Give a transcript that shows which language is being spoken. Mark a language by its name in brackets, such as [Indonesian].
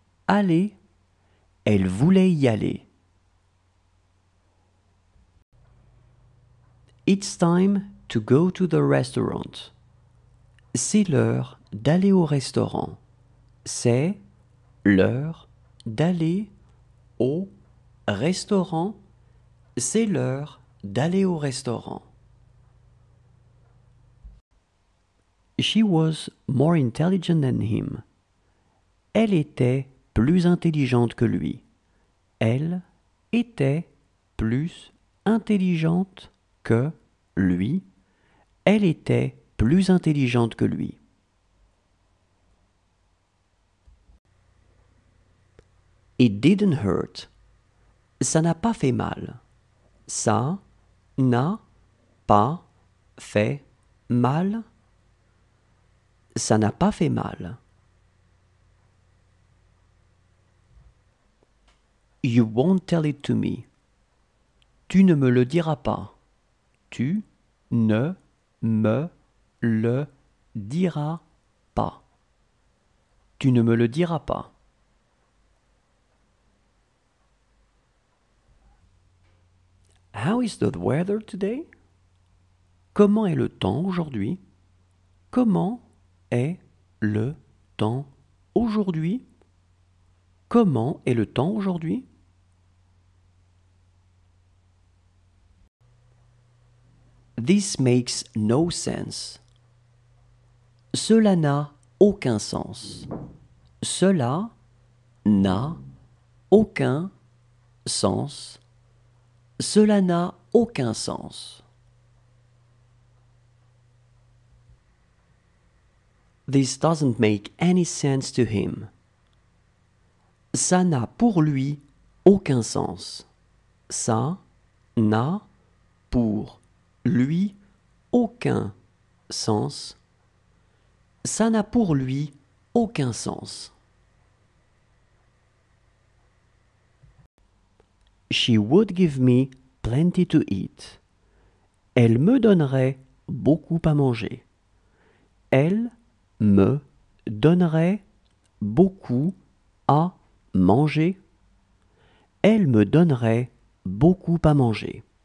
[French] Aller, elle voulait y aller. [English] It's time to go to the restaurant. [French] C'est l'heure d'aller au restaurant. C'est l'heure d'aller au restaurant. C'est l'heure d'aller au restaurant. [English] She was more intelligent than him. [French] Elle était plus intelligente que lui. Elle était plus intelligente que lui. Elle était plus intelligente que lui. [English] It didn't hurt. [French] Ça n'a pas fait mal. Ça n'a pas fait mal. Ça n'a pas fait mal. [English] You won't tell it to me. [French] Tu ne me le diras pas. Tu ne me le diras pas. Tu ne me le diras pas. [English] How is the weather today? [French] Comment est le temps aujourd'hui? Comment est le temps aujourd'hui? Comment est le temps aujourd'hui? [English] This makes no sense. [French] Cela n'a aucun sens. Cela n'a aucun sens. Cela n'a aucun sens. [English] This doesn't make any sense to him. [French] Ça n'a pour lui aucun sens. Ça n'a pour lui aucun sens. Ça n'a pour lui aucun sens. [English] She would give me plenty to eat. [French] Elle me donnerait beaucoup à manger. Elle me donnerait beaucoup à manger. Elle me donnerait beaucoup à manger.